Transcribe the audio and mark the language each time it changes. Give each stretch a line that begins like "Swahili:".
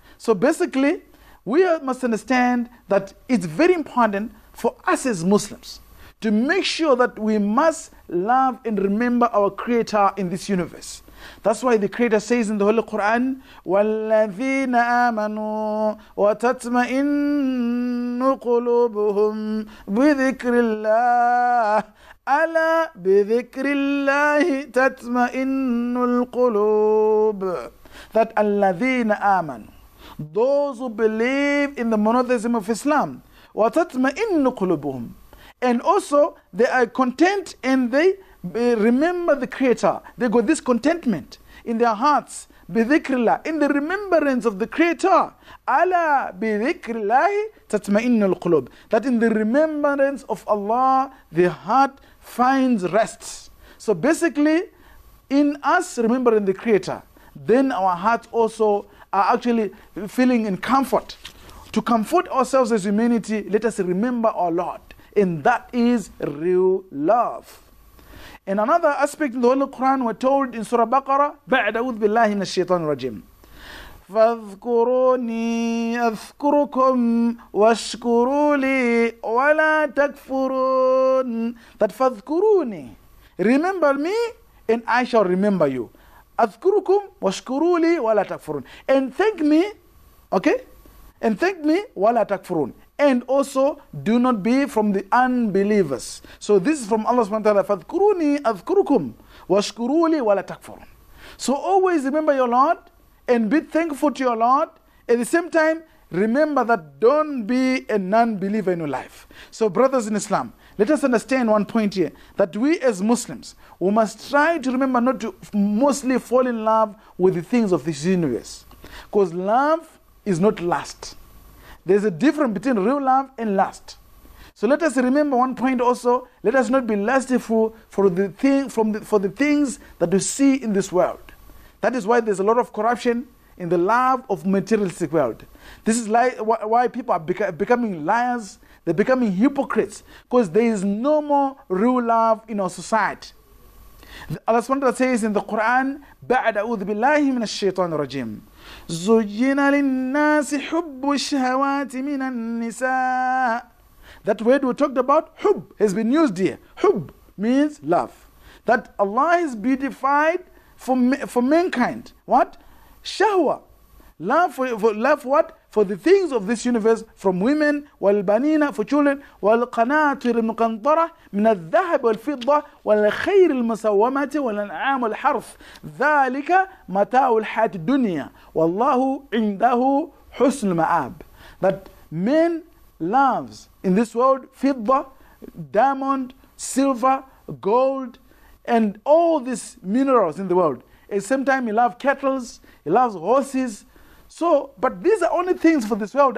English: So basically, we must understand that it's very important for us as Muslims to make sure that we must love and remember our Creator in this universe. That's why the Creator says in the Holy Quran,
Arabic: وَالَّذِينَ آمَنُوا وَتَطْمَئِنُّ قُلُوبُهُمْ بِذِكْرِ اللَّهِ أَلَا بِذِكْرِ اللَّهِ تَطْمَئِنُّ الْقُلُوبُ.
English: That
Arabic: الَّذِينَ آمَنُوا,
English: those who believe in the monotheism of Islam,
Arabic: وَتَطْمَئِنُّ قُلُوبُهُمْ,
English: and also they are content and they remember the Creator. They got this contentment in their hearts, bidhikrillah, in the remembrance of the Creator.
Arabic: Ala bidhikrillahi tatma'innul qulub.
English: That in the remembrance of Allah, the heart finds rest. So basically, in us remembering the Creator, then our hearts also are actually feeling in comfort. To comfort ourselves as humanity, let us remember our Lord. And that is real love. And another aspect in the Holy Quran, we're told in Surah Baqarah,
Arabic: بعد أعوذ بالله من الشيطان الرجيم فاذكروني أذكركم واشكروا لي ولا تكفرون.
English: That
Arabic: فاذكروني,
English: remember me and I shall remember you.
Arabic: أذكركم واشكروا لي ولا تكفرون.
English: And thank me, okay? And thank me
Arabic: ولا تكفرون.
English: And also, do not be from the unbelievers. So this is from Allah subhanahu wa ta'ala.
Arabic: فَذْكُرُونِي أَذْكُرُكُمْ وَشْكُرُوا لِي وَلَا تَكْفُرُونَ.
English: So always remember your Lord and be thankful to your Lord. At the same time, remember that don't be a non-believer in your life. So brothers in Islam, let us understand one point here. That we as Muslims, we must try to remember not to mostly fall in love with the things of this universe. Because love is not lust. There's a difference between real love and lust. So let us remember one point also. Let us not be lustful for the things that we see in this world. That is why there's a lot of corruption in the love of materialistic world. This is like why people are becoming liars. They're becoming hypocrites. Because there is no more real love in our society. Allah SWT says in the Quran,
Arabic: بعد أعوذ بالله من الشيطان الرجيم زجنا للناس حب الشهوات من النساء.
English: That word we talked about, حب, has been used here. حب means love. That Allah has beautified for mankind. What? Shahwa. Love for love what? For the things of this universe, from women,
Arabic: والبنين
English: for children,
Arabic: والقناطر المقنطرة من الذهب والفضة والخير المسومة والأنعام والحرث ذلك متاع الحياة الدنيا والله عنده حسن المآب.
English: That men loves in this world فضة, diamond, silver, gold, and all these minerals in the world. At the same time, he loves cattle, he loves horses. So, but these are only things for this world.